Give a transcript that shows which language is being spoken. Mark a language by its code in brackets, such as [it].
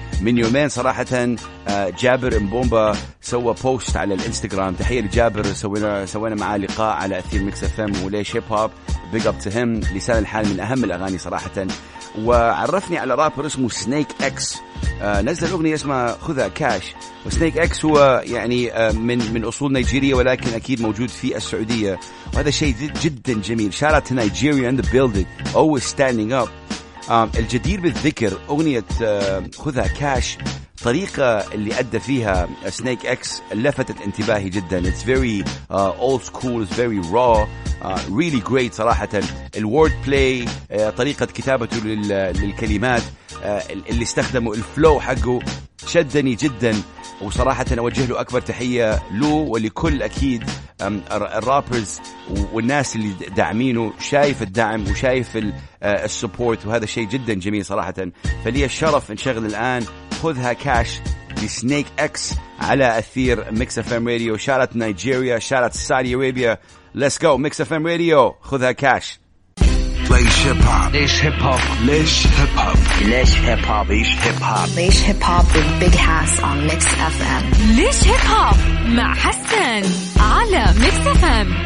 [ar] من يومين صراحة جابر إمبومبا سوى بوست على الإنستغرام, تحية لجابر, سوينا معاه لقاء على أثير Mix FM وليش هيب هوب, [en] big up to him. [ar] لسان الحال من أهم الأغاني صراحة, وعرفني على رابر اسمه سنيك إكس, نزل أغنية اسمها خذها كاش. وسنيك إكس هو يعني من أصول نيجيرية, ولكن أكيد موجود في السعودية, وهذا شيء جدا جميل. [en] Shout out to Nigeria in the building, always standing up. [ar] الجدير بالذكر أغنية خذها كاش, طريقة اللي أدى فيها سنيك إكس لفتت انتباهي جدا. [en] It's very old school, it's very raw, really great [ar] صراحة. الword play, طريقة كتابته للكلمات اللي استخدمه, الفلو حقه شدني جدا, وصراحة أوجه له أكبر تحية له ولكل أكيد الرابرز والناس اللي داعمينه. شايف الدعم وشايف السبورت, وهذا شيء جدا جميل صراحة. فلي الشرف نشغل الآن خذها كاش لسنيك إكس على أثير Mix FM Radio. شارت نيجيريا, شارت سعودي أرابيا, [en] let's go [ar] Mix FM Radio, خذها كاش. ليش هيب هوب ليش هيب هوب ليش هيب هوب ليش هيب هوب ليش هيب هوب [en] ليش hip hop with Big Hass on Mix FM. [ar] ليش هيب هوب مع حسن على Mix FM.